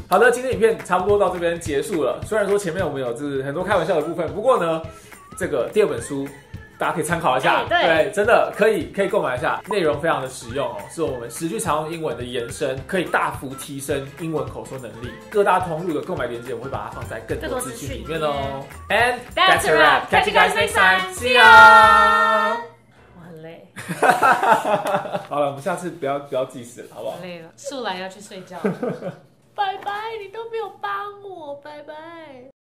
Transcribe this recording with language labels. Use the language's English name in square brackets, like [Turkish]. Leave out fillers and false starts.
[Chinese] 好的，今天影片差不多到这边结束了。虽然说前面我们有就是很多开玩笑的部分，不过呢，这个第二本书大家可以参考一下，对，真的可以购买一下，内容非常的实用哦，是我们十句常用英文的延伸，可以大幅提升英文口说能力。各大通路的购买链接我会把它放在更多资讯里面哦。 [English] And that's a wrap, catch you guys next time, see ya。 [Chinese] 我很累。好了，我们下次不要计时了，好不好？累了，素来要去睡觉了。拜拜，你都没有帮我，拜拜。